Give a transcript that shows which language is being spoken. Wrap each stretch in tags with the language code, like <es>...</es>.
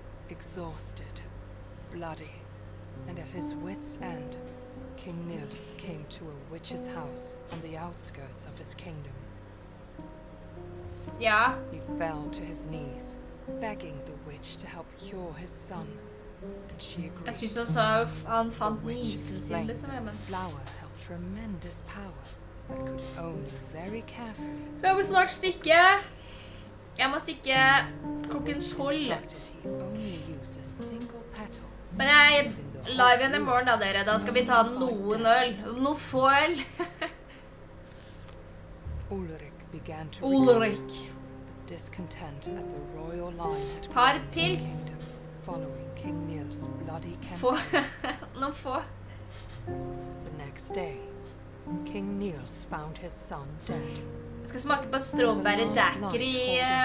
<en>Exhausted, bloody, and at his wits end, King Nils came to a witch's house on the outskirts of his kingdom.</en> <no>Ja.</no> <en>He fell to his knees, begging the witch to help cure his son, and she agreed.</en> <no>Jeg synes også han fant nisen sin, liksom, jeg mener.</no> <en>The flower held tremendous power, but could only very carefully...</en> <no>Jeg må snart stikke! Jeg må stikke klokken 12.</no> <en>The witch instructed he only use a single petal</en> <no>Men jeg er live igjen i morgen da, dere. Da skal vi ta noen øl. Noen få øl.</no> <en>Ulrik began to Ulrik. Discontent at the royal line had</en> <no>par pils.</no> <en>Following King Nils' bloody camp.</en> <no>Få. Noen få.</no> <en>The next day, King Nils found his son dead.</en> <no>Jeg skal smake på stråbæredækkeri.</no>